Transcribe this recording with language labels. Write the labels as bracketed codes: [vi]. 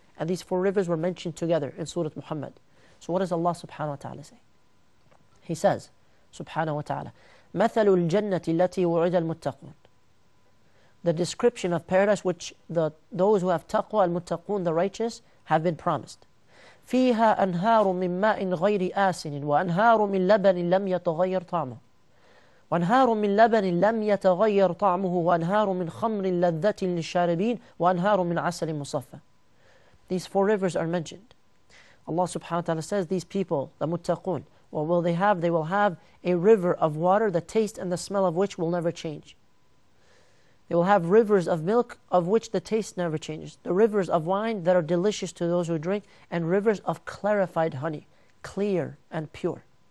[en] And these four rivers were mentioned together in Surah Muhammad. So what does Allah subhanahu wa ta'ala say? He says, subhanahu wa ta'ala, [ar] مَثَلُ الْجَنَّةِ الَّتِي وُعِدَ الْمُتَّقُونَ. [en] The description of paradise which those who have taqwa al-muttaqoon, the righteous, have been promised. [ar] فيها أنهار من ماء غير آسن، وأنهار من لبن لم يتغير طعمه، وأنهار من لبن لم يتغير طعمه، وأنهار من خمر لذة للشاربين، وأنهار من عسل مصفى. [en] These four rivers are mentioned. Allah subhanahu wa ta'ala says, these people, the muttaqun, what will they have? They will have a river of water, the taste and the smell of which will never change. They will have rivers of milk of which the taste never changes. The rivers of wine that are delicious to those who drink, and rivers of clarified honey, clear and pure.